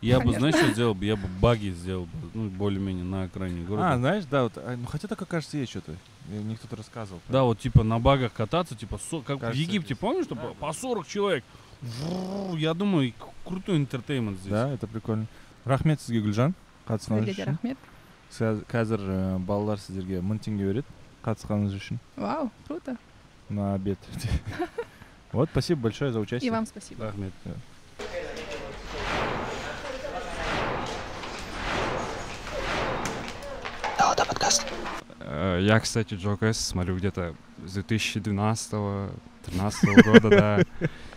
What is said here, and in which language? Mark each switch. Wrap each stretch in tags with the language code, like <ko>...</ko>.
<ru>Я бы, знаешь, что сделал бы? Я бы баги сделал бы, ну, более-менее на окраине города. А, знаешь, да, вот, ну, хотя так, кажется, есть что-то. Мне кто-то рассказывал. Да, вот типа на багах кататься, типа как кажется, в Египте, здесь. Помнишь, что да, по 40 человек. Я думаю, крутой интертеймент здесь. Да, это прикольно.</ru> <kk>Рахмет сізге,</kk> <ru>Гүлжан.</ru> <kk>Қатысқаныңыз үшін. Рахмет. Қазір балалар сіздерге 1000 теңге береді. Қатысқаныңыз үшін.</kk> <ru>Вау, круто. На обед. Вот, спасибо большое за участие. И вам спасибо.</ru> <kk>Рахмет.</kk> <ru>Да, это подкаст. Я, кстати, Джокес, смотрю, где-то с 2012-13 года, да.</ru>